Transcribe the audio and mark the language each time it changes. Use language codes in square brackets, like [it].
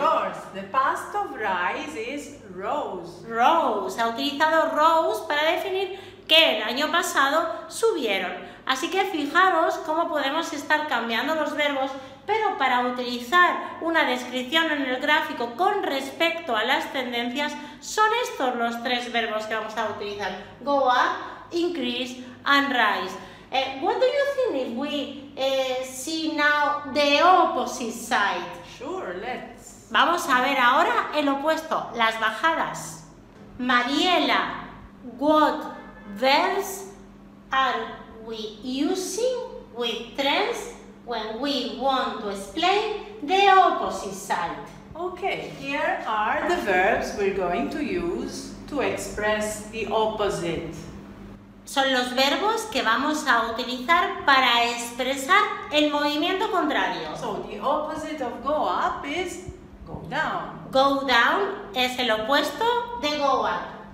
[en] Of course, the past of rise is rose. [es] Rose, ha utilizado rose para definir que el año pasado subieron. Así que fijaros cómo podemos estar cambiando los verbos, pero para utilizar una descripción en el gráfico con respecto a las tendencias, son estos los tres verbos que vamos a utilizar. [en] Go up, increase, and rise. What do you think if we see now the opposite side? Sure, let's. [es] Vamos a ver ahora el opuesto, las bajadas. [en] Mariela, what verbs are we using with trends when we want to explain the opposite side? Okay, here are the verbs we're going to use to express the opposite. [es] Son los verbos que vamos a utilizar para expresar el movimiento contrario. [en] So the opposite of go up is go down. [es] Go down es el opuesto de go up.